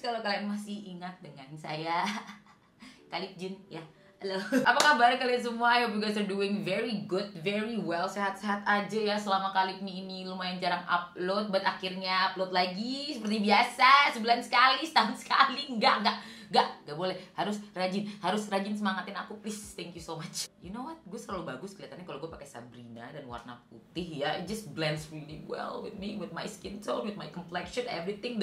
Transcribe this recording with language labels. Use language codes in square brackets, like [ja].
[id] Kalau kalian masih ingat dengan saya, Kalip Jun, ya. Yeah. Halo. Apa kabar kalian semua? [en] I hope you guys are doing very good, very well. [id] Sehat-sehat aja ya selama Kalipmi ini lumayan jarang upload. But akhirnya upload lagi seperti biasa. Sebulan sekali, setahun sekali. Enggak boleh. Harus rajin semangatin aku, [en] please. Thank you so much. You know what? [id] Gue selalu bagus kelihatannya kalau gue pakai Sabrina dan warna putih ya. [en] It just blends really well with me, with my skin tone, with my complexion, everything.